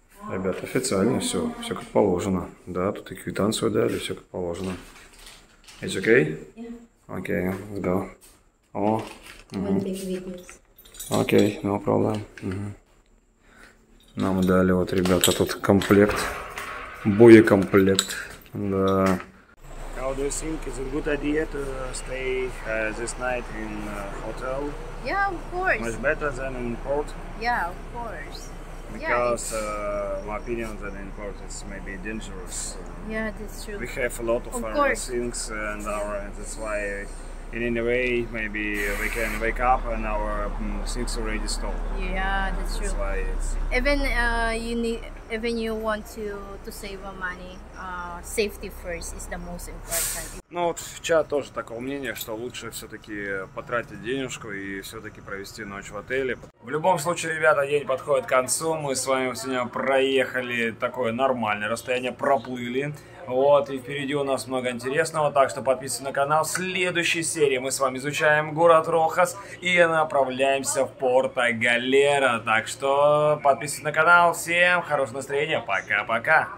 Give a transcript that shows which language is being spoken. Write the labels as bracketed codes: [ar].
[ru] Ребята, официально все, все как положено. Да, тут и квитанцию дали, все как положено. [en] It's okay? Okay, let's go. О, угу. Okay, no problem. Угу. [ru] Нам дали вот, ребята, тут комплект, боекомплект, да. [en] How do you think, is it good idea to stay this night in hotel? Yeah, of course. Much better than in port? Yeah, of course. Because my opinion that in port is maybe dangerous. Yeah, that's true. We have a lot of things and our, that's why in any way maybe we can wake up and our things already stole. Yeah, that's true. That's why it's... Even you want to save money, safety first is the most important. [ru] Ну вот в чат тоже такое мнение, что лучше все-таки потратить денежку и все-таки провести ночь в отеле. В любом случае, ребята, день подходит к концу. Мы с вами сегодня проехали такое нормальное расстояние, проплыли. Вот, и впереди у нас много интересного, так что подписывайтесь на канал. В следующей серии мы с вами изучаем город Рохас и направляемся в Порто-Галера. Так что подписывайтесь на канал, всем хорошего настроения, пока-пока!